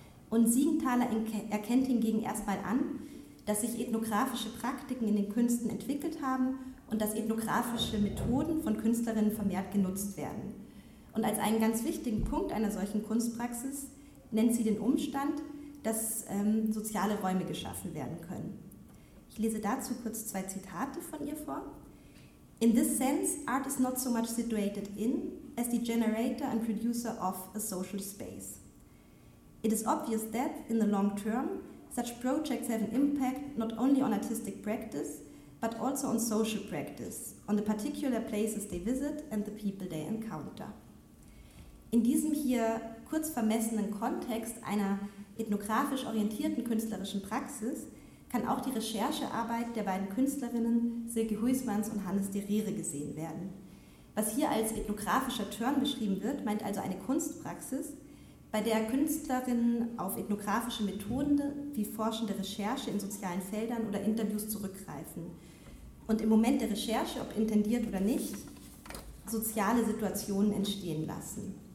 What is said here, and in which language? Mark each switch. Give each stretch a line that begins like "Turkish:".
German: Und Siegenthaler erkennt hingegen erstmal an, dass sich ethnografische Praktiken in den Künsten entwickelt haben und dass ethnografische Methoden von Künstlerinnen vermehrt genutzt werden. Und als einen ganz wichtigen Punkt einer solchen Kunstpraxis nennt sie den Umstand, dass soziale Räume geschaffen werden können. Ich lese dazu kurz zwei Zitate von ihr vor.
English: In this sense, art is not so much situated in as the generator and producer of a social space. It is obvious that, in the long term, such projects have an impact not only on artistic practice, but also on social practice, on the particular places they visit and the people they encounter.
German: In diesem hier kurz vermessenen Kontext einer ethnografisch orientierten künstlerischen Praxis kann auch die Recherchearbeit der beiden Künstlerinnen Silke Huismans und Hannes de Rehre gesehen werden. Was hier als ethnografischer Turn beschrieben wird, meint also eine Kunstpraxis, bei der Künstlerinnen auf ethnografische Methoden wie forschende Recherche in sozialen Feldern oder Interviews zurückgreifen und im Moment der Recherche, ob intendiert oder nicht, soziale Situationen entstehen lassen.